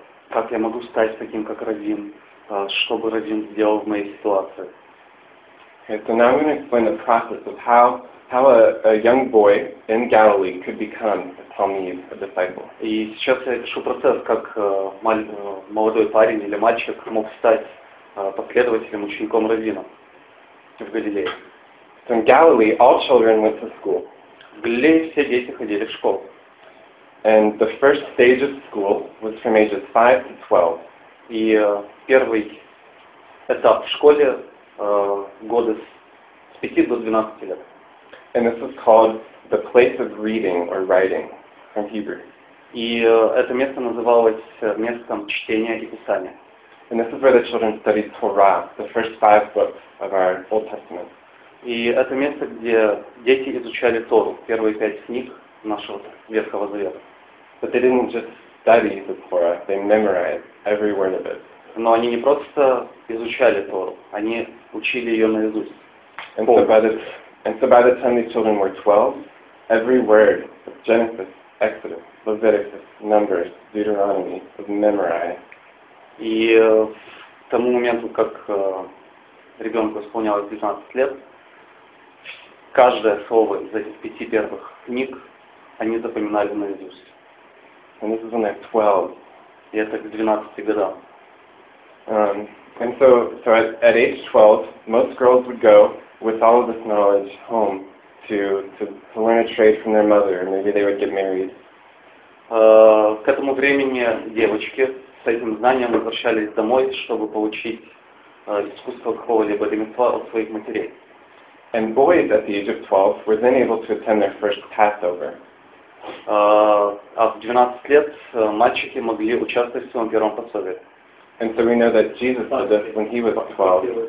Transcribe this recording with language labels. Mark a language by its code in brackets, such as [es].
[ru] Как я могу стать таким, как раввин? Что бы раввин сделал в моей ситуации? [en] Okay, so now I'm going to explain the process of how a young boy in Galilee could become a Talmid, a disciple. [ru] И сейчас я пишу процесс, как молодой парень или мальчик мог стать последователем, учеником раввина в Галилее. [en] So in Galilee, all children went to school. [ru] В Галилее все дети ходили в школу. [en] And the first stage of school was from ages 5 to 12. [ru] И первый этап в школе годы с 5 до 12 лет. [en] And this is called the place of reading or writing from Hebrew. [ru] И это место называлось местом чтения и писания. [en] And this is where the children studied Torah, the first 5 books of our Old Testament. [ru] И это место, где дети изучали Тору, первые 5 книг нашего Ветхого Завета. [en] But they didn't just study the Torah, they memorized every word of it. [ru] Но они не просто изучали Тору, они учили ее наизусть. [en] And so by the time these children were 12, every word of Genesis, Exodus, Leviticus, Numbers, Deuteronomy was memorized. [ru] И в тому моменту, как ребенку исполнялось 19 лет, каждое слово из этих 5 первых книг они запоминали наизусть. [en] And this is when they're 12. [ru] И это к 12 годам. [en] And so at age 12, most girls would go with all of this knowledge home to learn a trade from their mother, and maybe they would get married. [ru] К этому времени девочки с этим знанием возвращались домой, чтобы получить искусство какого-либо ремесла от своих матерей. [en] And boys at the age of 12 were then able to attend their first Passover. [ru] А в 12 лет мальчики могли участвовать в своем первом пособии. [en] And so we know that Jesus did this when he was 12.